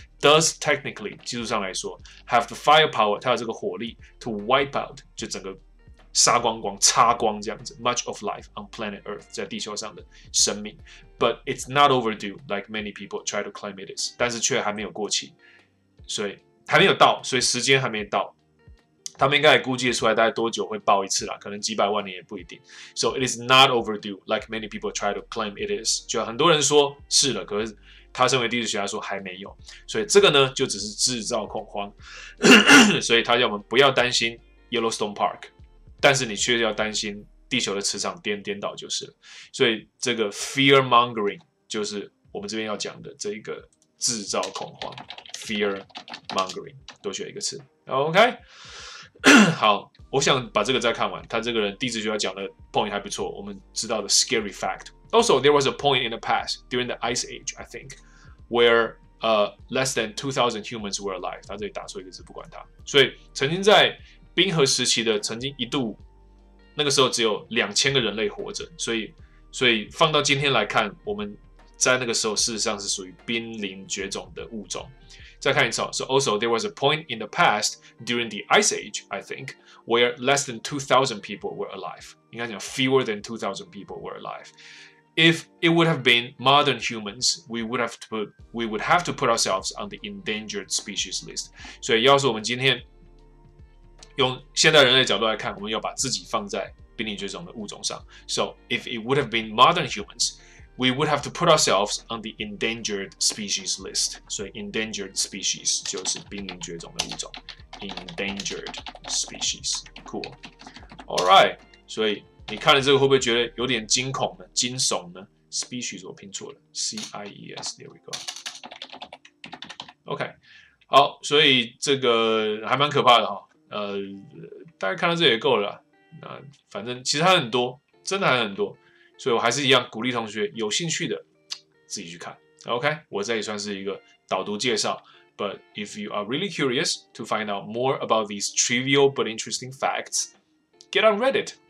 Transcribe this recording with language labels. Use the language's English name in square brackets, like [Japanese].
[English] Does technically [Chinese] 技术上来说 [English] have the firepower， [Chinese] 它有这个火力 [English] to wipe out [Chinese] 就整个杀光光、擦光这样子 [English] much of life on planet Earth [Chinese] 在地球上的生命 [English] ，but it's not overdue like many people try to claim it is， [Chinese] 但是却还没有过期。所以还没有到，所以时间还没到，他们应该也估计出来大概多久会爆一次啦，可能几百万年也不一定。 [English] So it is not overdue, like many people try to claim it is。 [Chinese] 就很多人说是了，可是他身为地质学家说还没有。所以这个呢，就只是制造恐慌。所以他叫我们不要担心 Yellowstone Park， 但是你却要担心地球的磁场颠倒就是了。所以这个 fear mongering 就是我们这边要讲的这一个制造恐慌。 Fear mongering， 多学一个词。 OK， 好，我想把这个再看完。他这个人地质学家讲的 point 还不错，我们知道的 scary fact。 [English] Also， there was a point in the past during the Ice Age， I think， where less than 2,000 humans were alive。 [Chinese] 他这里打错一个字，不管他。所以曾经在冰河时期的，曾经一度那个时候只有2000个人类活着。所以放到今天来看，我们在那个时候事实上是属于濒临绝种的物种。再看一次哦。 [English] So also there was a point in the past during the Ice Age, I think, where less than 2,000 people were alive. [Chinese] 应该讲 [English] fewer than 2,000 people were alive. If it would have been modern humans, we would have to put ourselves on the endangered species list. [Chinese] 所以要是我们今天用现代人类角度来看，我们要把自己放在濒临绝种的物种上。 [English] So if it would have been modern humans,We would have to put ourselves on the endangered species list. [Chinese] So endangered species 就是濒临绝种的物种。 [English] Endangered species, cool. All right. [Chinese] 所以你看了这个会不会觉得有点惊恐呢？惊悚呢 [English] ？Species [Chinese] 我拼错了 [English] ，C I E S. There we go. OK. [Chinese] 好，所以这个还蛮可怕的哈、哦。大家看到这也够了。那反正其实还很多，真的还很多。所以我还是一样鼓励同学有兴趣的自己去看。 OK， 我这也算是一个导读介绍。 [English] But if you are really curious to find out more about these trivial but interesting facts, get on Reddit.